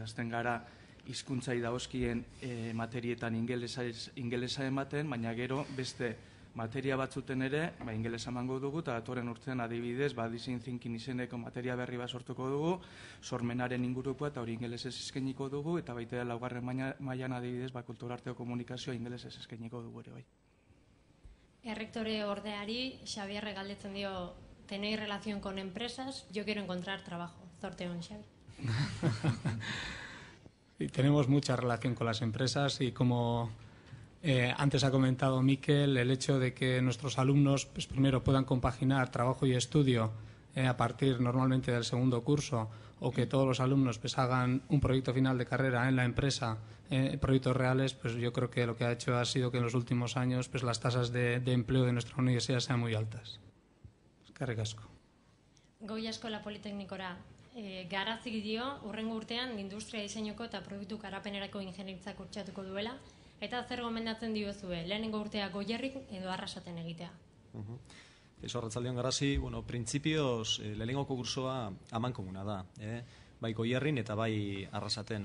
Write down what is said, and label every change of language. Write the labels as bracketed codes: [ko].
[eu] Azten gara hizkuntzai dagozkien materietan ingelesa ematen, baina gero beste materia batzuten ere, ingelesa emango dugu, eta datoren urtean adibidez, design thinking izeneko materia berri bat sortuko dugu, sormenaren inguruko eta hori ingelesez eskainiko dugu, eta baita laugarren mailan adibidez, kultura arteko komunikazioa ingelesez eskainiko dugu ere bai. Errektore ordeari, Xabierre galdetzen dio, [es] tenei relación con empresas, yo quiero encontrar trabajo. [eu] Zorte hon, Xabi. [es] Tenemos mucha relación con las empresas y como antes ha comentado Mikel, el hecho de que nuestros alumnos pues primero puedan compaginar trabajo y estudio a partir normalmente del segundo curso, o que todos los alumnos pues hagan un proyecto final de carrera en la empresa, proyectos reales, pues yo creo que lo que ha hecho ha sido que en los últimos años pues las tasas de empleo de nuestra universidad sean muy altas. [eu] Eskerrik asko. Goi Eskola Politeknikora. Garazik dio, urrengo urtean industria diseinuko eta produktu garapenerako ingenieritza kurtsatuko duela, eta zer gomendatzen diozue, lehenengo urtea Goierrin edo Arrasaten egitea? Ez Arratsaldeon, Garazi, bueno, printzipioz lehenengoko kursoa amankomuna da, bai Goierrin eta bai Arrasaten.